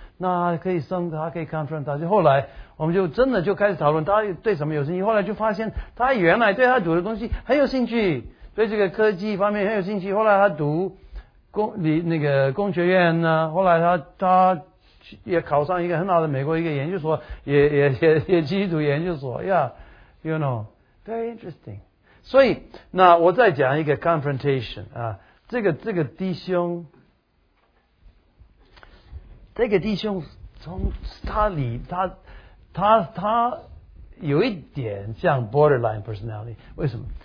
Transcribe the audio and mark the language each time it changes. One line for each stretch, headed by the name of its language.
Chinese: 那可以送他，可以 confront 他。就后来我们就真的就开始讨论他对什么有兴趣。后来就发现他原来对他读的东西很有兴趣，对这个科技方面很有兴趣。后来他读工学院呢，后来他也考上一个很好的美国一个研究所，也继续读研究所。
English: Yeah, you know, very interesting.
Chinese: 所以那我再讲一个 confrontation 啊。这个弟兄，这个弟兄从他里他有一点像 borderline personality。为什么？